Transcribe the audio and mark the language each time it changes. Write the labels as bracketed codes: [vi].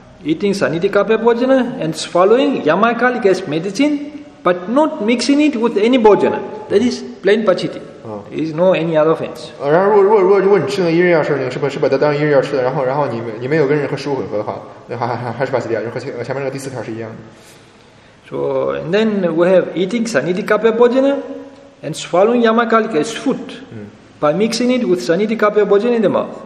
[en] Eating saniti kapya bhojana and swallowing yamakalika as medicine, but not mixing it with any bhojana. That is plain pachiti. There is no any other offense. [zh] 然后如果你吃那一日药是，你是把它当一日药吃的，然后你没有跟任何食物混合的话，那还是巴基利亚，和前面那个第四条是一样的。So [en] and then we have eating saniti kapya bhojana and swallowing yamakalika as food by mixing it with saniti kapya bhojana in the mouth.